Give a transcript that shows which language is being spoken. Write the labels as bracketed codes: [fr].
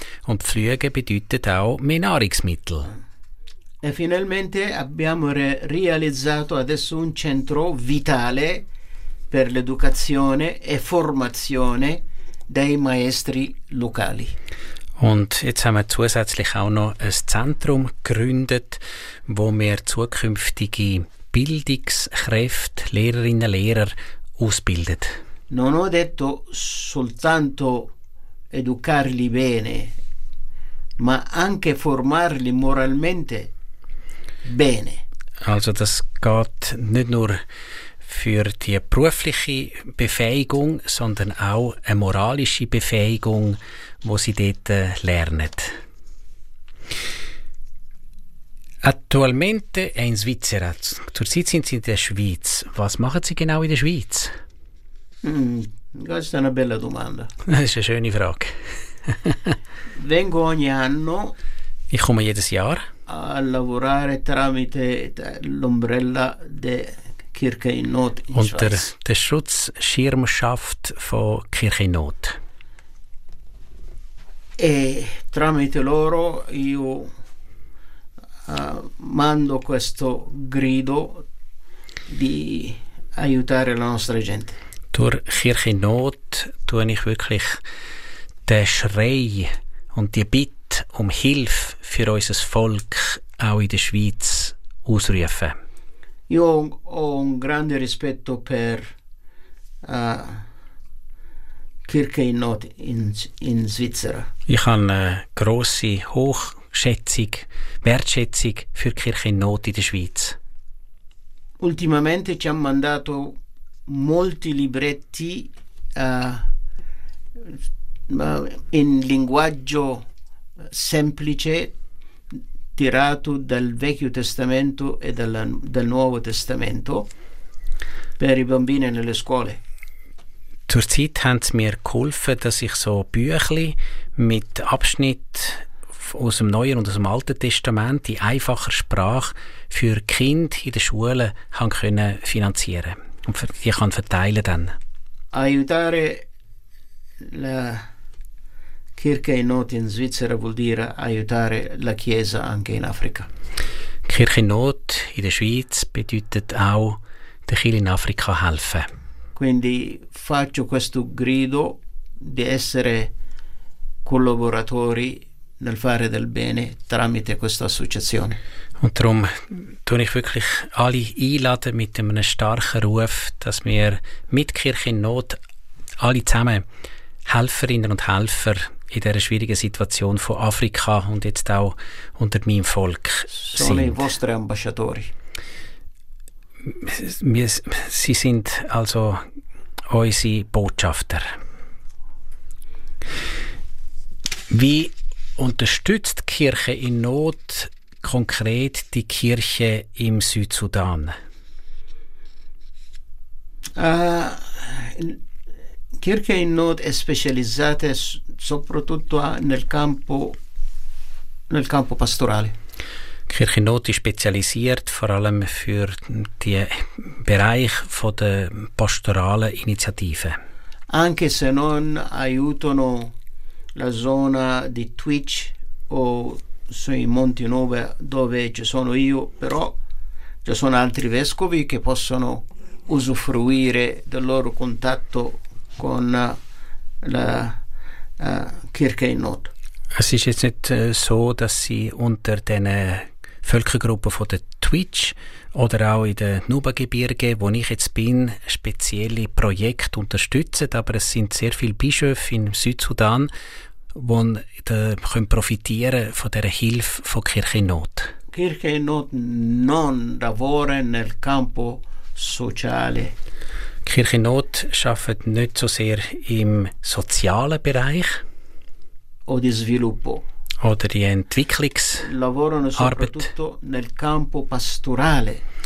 [de] Und pflügen bedeutet auch mehr Nahrungsmittel. [it] E finalmente abbiamo realizzato adesso un centro vitale per l'educazione e formazione dei maestri locali. [de] Und jetzt haben wir zusätzlich auch noch ein Zentrum gegründet, wo wir zukünftige Bildungskräfte, Lehrerinnen und Lehrer ausbilden. [it] Non ho detto soltanto educarli bene, ma anche formarli moralmente bene. [de] Also das geht nicht nur für die berufliche Befähigung, sondern auch eine moralische Befähigung, die sie dort lernen. [it] Attualmente in Svizzera, [de] zurzeit sind sie in der Schweiz. Was machen sie genau in der Schweiz? [it] Questa è una bella domanda. [de] Das ist eine schöne Frage. [it] Vengo ogni anno. [de] Ich komme jedes Jahr. [it] A lavorare tramite l'ombrella de Kirche in Not in [de] unter der Schutzschirmschaft von Kirche in Not. [it] E tramite loro io mando questo grido di aiutare la nostra gente. [de] Durch Kirche in Not tue ich wirklich den Schrei und die Bitte um Hilfe für unser Volk auch in der Schweiz ausrufen. [it] Io ho un grande rispetto per Kirche in Not in Svizzera. [de] Ich habe eine grosse Hochschätzung, Wertschätzung für Kirche in Not in der Schweiz. [it] Ultimamente ci hanno mandato molti libretti in linguaggio semplice, tirato dal Vecchio Testamento e dal Nuovo Testamento per i bambini nelle scuole. [de] Zurzeit haben sie mir geholfen, dass ich so Büchli mit Abschnitt aus dem Neuen und aus dem Alten Testament in einfacher Sprache für Kinder in den Schulen können finanzieren und die kann verteilen dann. [it] Aiutare la Kirche in Not in Svizzera vuol dire aiutare la Chiesa anche in Afrika. [de] Kirche in Not in der Schweiz bedeutet auch, der Kirche in Afrika helfen. [it] Quindi faccio questo grido di essere collaboratori nel fare del bene tramite questa associazione. [de] Und darum tue ich wirklich alle einladen mit einem starken Ruf, dass wir mit Kirche in Not alle zusammen Helferinnen und Helfer in dieser schwierigen Situation von Afrika und jetzt auch unter meinem Volk sind. [it] Sono i vostri ambasciatori. [de] Sie sind also unsere Botschafter. Wie unterstützt die Kirche in Not konkret die Kirche im Südsudan? [it] Kirche in Not è specializzata soprattutto nel campo pastorale. [de] Kirche in Not ist spezialisiert vor allem für den Bereich von der pastoralen Initiative. [it] Anche se non aiutano la zona di Twitch o sui Monti Nove dove ci sono io, però ci sono altri vescovi che possono usufruire del loro contatto con la Kirche in Not. [de] Es ist jetzt nicht so, dass sie unter den Völkergruppen von der Twitch oder auch in den Nubengebirgen, wo ich jetzt bin, spezielle Projekte unterstützen, aber es sind sehr viele Bischöfe im Südsudan, die profitieren von dieser Hilfe von Kirche in Not. [it] Kirche non lavora nel campo sociale. [de] Kirche Not arbeitet nicht so sehr im sozialen Bereich. Oder [it] sviluppo. [de] Oder die Entwicklungsarbeit. [it] Lavorano soprattutto nel campo pastorale.